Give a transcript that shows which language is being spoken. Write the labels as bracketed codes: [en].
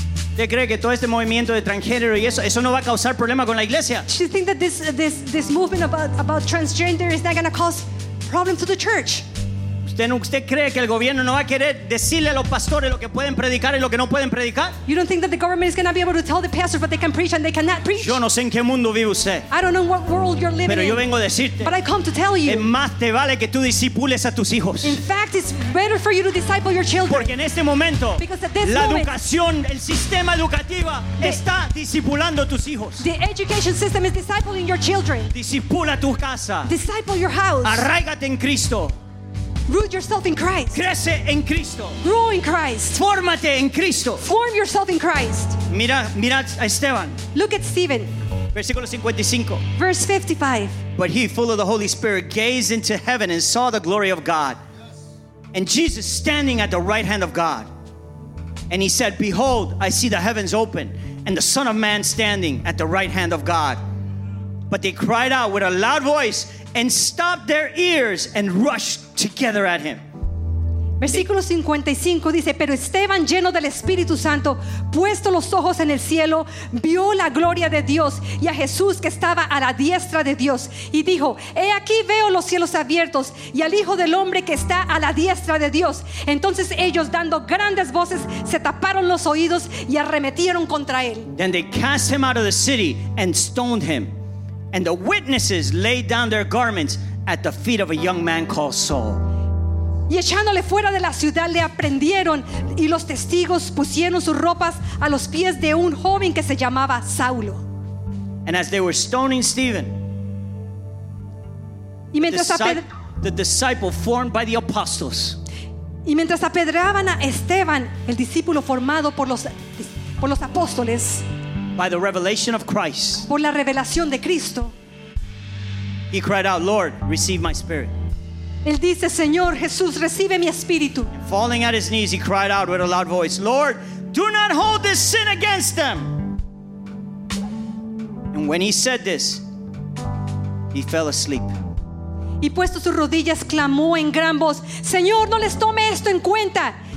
[es] ¿Usted cree que todo este movimiento de transgénero y eso no va a causar problema con la iglesia? [en] Do you think that this movement about transgender is not going to cause problems to the church? [es] ¿Usted cree que el gobierno no va a querer decirle a los pastores lo que pueden predicar y lo que no pueden predicar? [en] You don't think that the government is going to be able to tell the pastors what they can preach and they cannot preach? [es] Yo no sé en qué mundo vive usted. [en] I don't know what world you're living in. [es] Pero yo vengo a decirte. [en] But I come to tell you. [es] Es más te vale que tú discipules a tus hijos. [en] In fact, it's better for you to disciple your children. [es] Porque en este momento, [en] because at this [es] la [en] moment, [es] educación, el sistema educativo está discipulando a tus hijos. [en] The education system is discipling your children. [es] Discipula tu casa. [en] Disciple your house. [es] Arráigate en Cristo. [en] Root yourself in Christ. [es] Crece en Cristo. [en] Grow in Christ. [es] Fórmate en Cristo. [en] Form yourself in Christ. [es] Mira a Esteban. [en] Look at Stephen. [es] Versículo 55. [en] Verse 55. But he, full of the Holy Spirit, gazed into heaven and saw the glory of God. And Jesus standing at the right hand of God. And he said, behold, I see the heavens open and the Son of Man standing at the right hand of God. But they cried out with a loud voice and stopped their ears and rushed together at him. [es] Versículo 55 dice, pero Esteban, lleno del Espíritu Santo, puesto los ojos en el cielo, vio la gloria de Dios y a Jesús que estaba a la diestra de Dios, y dijo, he aquí veo los cielos abiertos y al Hijo del Hombre que está a la diestra de Dios. Entonces ellos, dando grandes voces, se taparon los oídos y arremetieron contra él. [en] Then they cast him out of the city and stoned him. And the witnesses laid down their garments at the feet of a young man called Saul. [es] Y echándole fuera de la ciudad le aprendieron, y los testigos pusieron sus ropas a los pies de un joven que se llamaba Saulo. [en] And as they were stoning Stephen, [es] y mientras [en] the disciple formed by the apostles, [es] y mientras apedreaban a Esteban, el discípulo formado por los apóstoles, [en] by the revelation of Christ, [es] por la revelación de Cristo, [en] he cried out, Lord, receive my spirit. [es] Él dice, Señor Jesús, recibe mi espíritu. [en] And falling at his knees, he cried out with a loud voice, Lord, do not hold this sin against them. And when he said this, he fell asleep. [es] Y puesto sus rodillas, clamó en gran voz, Señor, no les tome esto en cuenta.